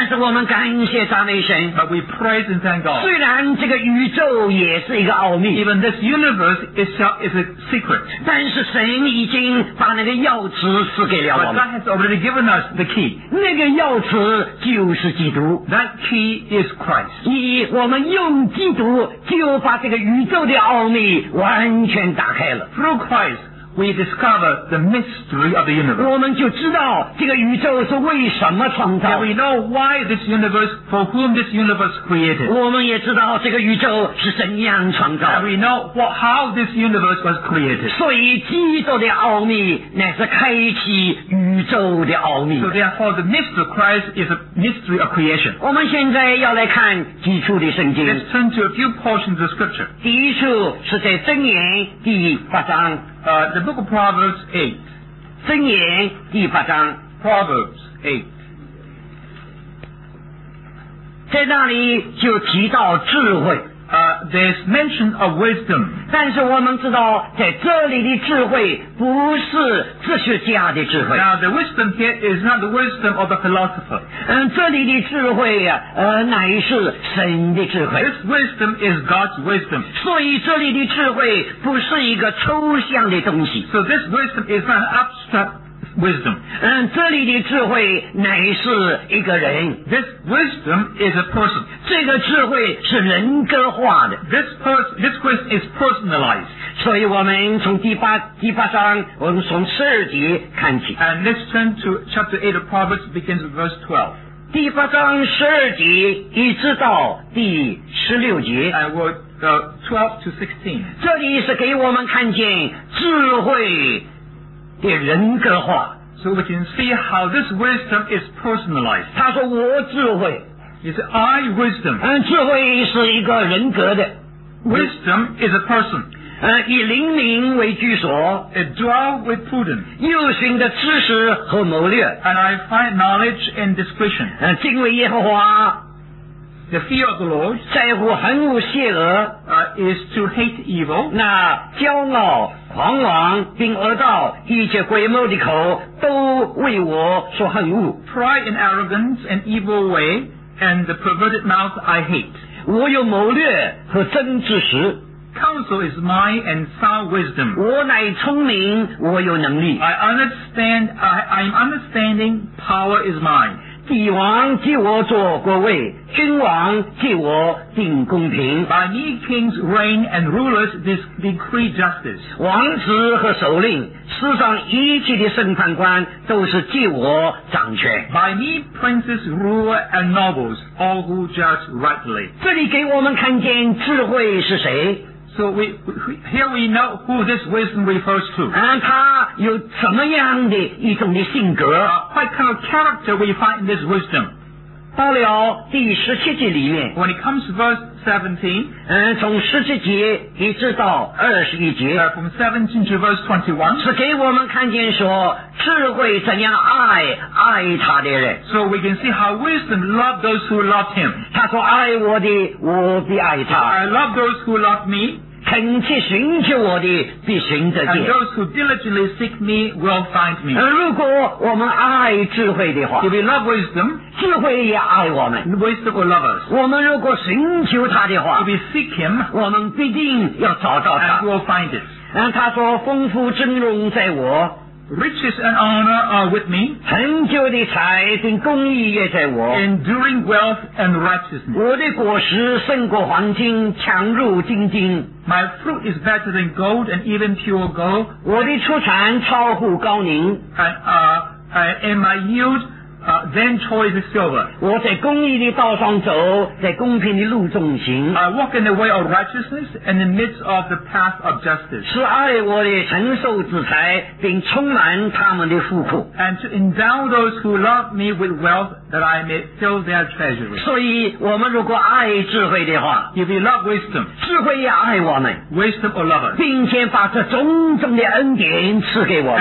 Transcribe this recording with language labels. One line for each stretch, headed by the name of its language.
Chinese: 但是我们感谢赞美神。
English: But we praise and thank God.
Chinese: 虽然这个宇宙也是一个奥秘。
English: Even this universe itself is a secret.
Chinese: 但是神已经把那个钥匙赐给了我们。
English: But God has already given us the key.
Chinese: 那个钥匙就是基督。
English: That key is Christ.
Chinese: 以我们用基督就把这个宇宙的奥秘完全打开了。
English: Through Christ. We discover the mystery of the universe.
Chinese: 我们就知道这个宇宙是为什么创造。
English: And we know why this universe, for whom this universe created.
Chinese: 我们也知道这个宇宙是怎样创造。
English: And we know how this universe was created.
Chinese: 所以基督的奥秘乃是开启宇宙的奥秘。
English: So therefore, the mystery of Christ is a mystery of creation.
Chinese: 我们现在要来看基础的圣经。
English: Let's turn to a few portions of scripture.
Chinese: 第一处是在箴言第八章。
English: The book of Proverbs 8.
Chinese: 箴言第八章
English: Proverbs 8.
Chinese: 在那里就提到智慧。
English: There's mention of wisdom.
Chinese: 但是我们知道在这里的智慧不是哲学家的智慧。
English: Now the wisdom here is not the wisdom of the philosopher.
Chinese: 这里的智慧啊，乃是神的智慧。
English: This wisdom is God's wisdom.
Chinese: 所以这里的智慧不是一个抽象的东西。
English: So this wisdom is not abstract wisdom.
Chinese: 这里的智慧乃是一个人。
English: This wisdom is a person.
Chinese: 这个智慧是人格化的。
English: This question is personalized.
Chinese: 所以我们从第八章，我们从十二节看起。
English: And let's turn to chapter 8 of Proverbs, begins with verse 12.
Chinese: 第八章十二节一直到第十六节。
English: And we're 12 to 16.
Chinese: 这里是给我们看见智慧的人格化。
English: So we can see how this wisdom is personalized.
Chinese: 他说我智慧。
English: He said, I, wisdom.
Chinese: 智慧是一个人格的。
English: Wisdom is a person.
Chinese: 以灵明为居所。
English: It dwell with prudence.
Chinese: 又寻得知识和谋略。
English: And I find knowledge and discretion.
Chinese: 敬畏耶和华。
English: The fear of the Lord.
Chinese: 在乎恒无懈额。
English: Is to hate evil.
Chinese: 那骄傲、狂妄并恶道，一切诡谋的口，都为我所恨恶。
English: Pride and arrogance and evil way. And the perverted mouth I hate.
Chinese: 我有谋略和真知识。
English: Counsel is mine and sound wisdom.
Chinese: 我乃聪明，我有能力。
English: I understand. I'm understanding. Power is mine.
Chinese: 帝王替我做国位，君王替我定公平。
English: By me, kings reign and rulers decree justice.
Chinese: 王子和首领。世上一切的审判官都是借我掌权。
English: By me, princes, ruler, and nobles, all who judge rightly.
Chinese: 这里给我们看见智慧是谁。
English: So here we know who this wisdom refers to.
Chinese: 他有怎么样的一种的性格。
English: What kind of character we find in this wisdom?
Chinese: 到了第十七节里面。
English: When it comes to verse 17,
Chinese: 从十七节一直到二十一节。
English: From 17 to verse 21,
Chinese: 是给我们看见说智慧怎样爱他的人。
English: So we can see how wisdom loved those who loved him.
Chinese: 他说爱我的，我必爱他。
English: I love those who love me.
Chinese: 恳切寻求我的必寻得见。
English: And those who diligently seek me will find me.
Chinese: 如果我们爱智慧的话。
English: If we love wisdom,
Chinese: 智慧也爱我们。
English: Wisdom will love us.
Chinese: 我们如果寻求他的话。
English: If we seek him,
Chinese: 我们必定要找到他。
English: And we'll find it.
Chinese: 他说丰富尊荣在我。
English: Riches and honor are with me.
Chinese: 成就的财并公义也在我。
English: Enduring wealth and righteousness.
Chinese: 我的果实胜过黄金，强如金金。
English: My fruit is better than gold and even pure gold.
Chinese: 我的出产超乎高宁。
English: And my yield then choice is silver.
Chinese: 我在公义的道上走，在公平的路中行。
English: I walk in the way of righteousness and in the midst of the path of justice.
Chinese: 使爱我的承受子财，并充满他们的富库。
English: And to endow those who love me with wealth that I may fill their treasury.
Chinese: 所以我们如果爱智慧的话，
English: if we love wisdom,
Chinese: 智慧也爱我们，
English: wisdom will love us.
Chinese: 并且把这种种的恩典赐给我们。